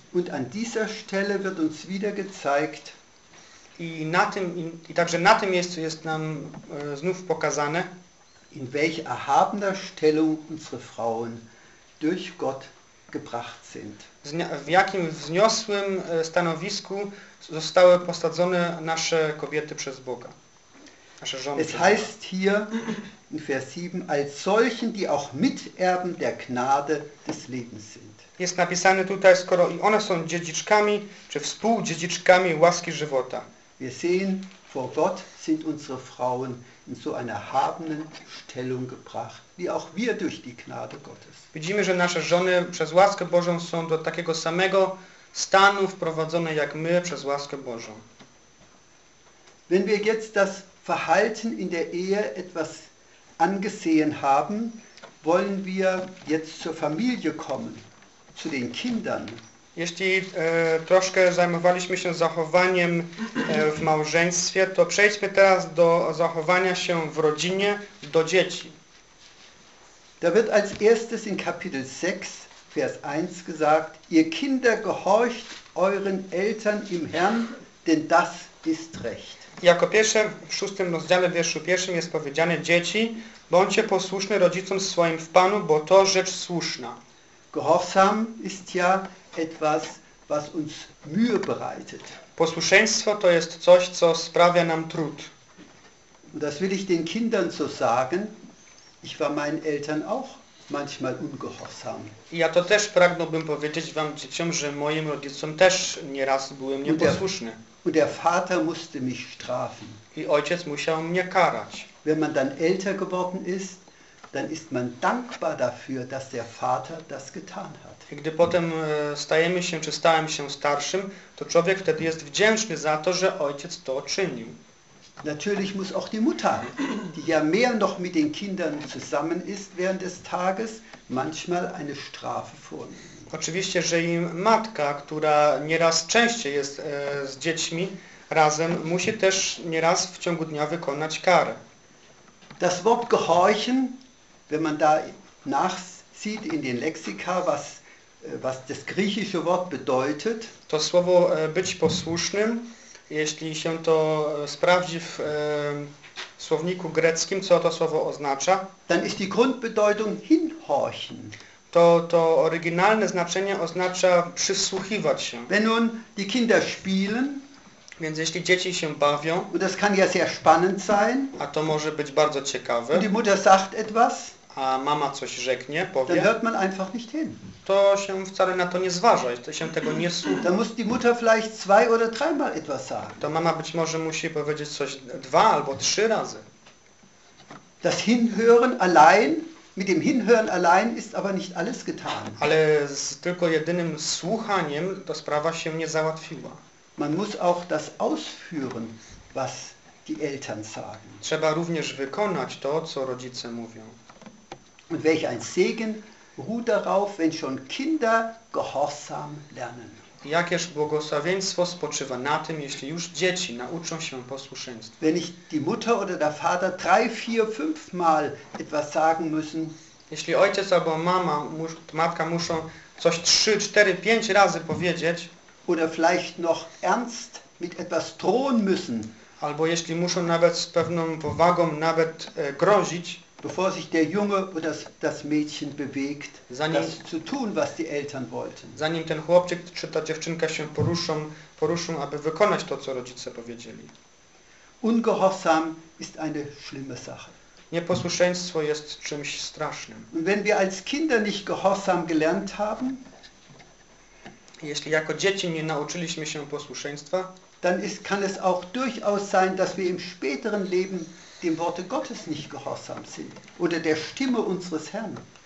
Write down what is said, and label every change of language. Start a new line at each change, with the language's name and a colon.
German: Und an dieser Stelle wird uns wieder gezeigt,
Polish: i także na tym miejscu jest nam znów pokazane,
German: in welch erhabener Stellung unsere Frauen durch Gott gebracht sind.
Polish: W jakim wzniosłym stanowisku zostały posadzone nasze kobiety przez Boga. Nasze żony.
German: Es heißt hier in Vers 7 als solchen, die auch Miterben der Gnade des Lebens sind.
Polish: Jest napisane tutaj, skoro i one są dziedziczkami, czy współdziedziczkami łaski żywota.
German: Wir sehen, vor Gott sind unsere Frauen in so einer erhabenen Stellung gebracht, wie auch wir durch die Gnade Gottes.
Polish: Widzimy, że nasze żony przez łaskę Bożą są do takiego samego stanu wprowadzone jak my przez łaskę Bożą.
German: Wenn wir jetzt das Verhalten in der Ehe etwas angesehen haben, wollen wir jetzt zur Familie kommen, zu den Kindern.
Polish: Jeśli troszkę zajmowaliśmy się zachowaniem w małżeństwie, to przejdźmy teraz do zachowania się w rodzinie, do dzieci.
German: Da wird als erstes in Kapitel 6, Vers 1 gesagt, ihr Kinder gehorcht euren Eltern im Herrn, denn das ist recht.
Polish: Jako pierwsze w 6 rozdziale wierszu 1 jest powiedziane, dzieci, bądźcie posłuszne rodzicom swoim w Panu, bo to rzecz słuszna.
German: Gehorsam ist ja etwas, was uns Mühe bereitet.
Polish: Posłuszeństwo to jest coś, co sprawia nam trud.
German: Und das will ich den Kindern so sagen. Ich war meinen Eltern auch manchmal ungehorsam.
Polish: Ja to też pragnąłbym powiedzieć wam, dzieciom, że moim rodzicom też nieraz byłem nieposłuszny.
German: Und der Vater musste mich strafen.
Polish: I ojciec musiał mnie karać.
German: Wenn man dann älter geworden ist, dann ist man dankbar dafür, dass der Vater das getan hat.
Polish: I gdy potem stajemy się, czy stałem się starszym, to człowiek wtedy jest wdzięczny za to, że ojciec to czynił.
German: Natürlich muss auch die Mutter, die ja mehr noch mit den Kindern zusammen ist während des Tages, manchmal eine Strafe vornehmen.
Polish: Oczywiście, że i matka, która nieraz częściej jest z dziećmi razem, musi też nieraz w ciągu dnia wykonać karę.
German: Das Wort gehorchen, wenn man da nachsieht in den Lexika, was das griechische Wort bedeutet.
Polish: To słowo być posłusznym, jeśli się to sprawdzi w słowniku greckim, co to słowo oznacza?
German: Dann ist die Grundbedeutung hinhorchen.
Polish: To oryginalne znaczenie oznacza przysłuchiwać się.
German: Wenn nun die Kinder spielen,
Polish: więc jeśli dzieci się bawią,
German: und das kann ja sehr spannend sein,
Polish: a to może być bardzo ciekawe,
German: und die Mutter sagt etwas,
Polish: a mama coś rzeknie, powie,
German: dann hört man einfach nicht hin.
Polish: To się wcale na to nie zważa, to się tego nie słucha.
German: Dann muss die Mutter vielleicht zwei oder dreimal etwas sagen.
Polish: To mama być może musi powiedzieć coś dwa albo trzy razy.
German: Das Hinhören allein, mit dem Hinhören allein ist aber nicht alles getan.
Polish: Ale z tylko jedynym słuchaniem ta sprawa się nie załatwiła.
German: Man muss auch das ausführen, was die Eltern sagen.
Polish: Trzeba również wykonać to, co rodzice mówią.
German: Und welch ein Segen ruht darauf, wenn schon Kinder gehorsam lernen.
Polish: Jakież błogosławieństwo spoczywa na tym, jeśli już dzieci nauczą się posłuszeństwa.
German: Wenn ich die Mutter oder der Vater drei, vier, fünf Mal etwas sagen müssen.
Polish: Jeśli ojciec albo mama, matka muszą coś trzy, cztery, pięć razy powiedzieć.
German: Oder vielleicht noch ernst mit etwas drohen müssen.
Polish: Albo jeśli muszą nawet z pewną powagą nawet grozić.
German: Bevor sich der Junge oder das Mädchen bewegt, das zu tun, was die Eltern wollten.
Polish: Zanim ten chłopczyk czy ta dziewczynka się poruszą, aby wykonać to, co rodzice powiedzieli.
German: Ungehorsam ist eine schlimme Sache.
Polish: Nieposłuszeństwo jest czymś strasznym.
German: Und wenn wir als Kinder nicht gehorsam gelernt haben,
Polish: jeśli jako dzieci nie nauczyliśmy się posłuszeństwa,
German: dann ist, kann es auch durchaus sein, dass wir im späteren Leben dem Worte Gottes nicht gehorsam sind oder der Stimme unseres Herrn.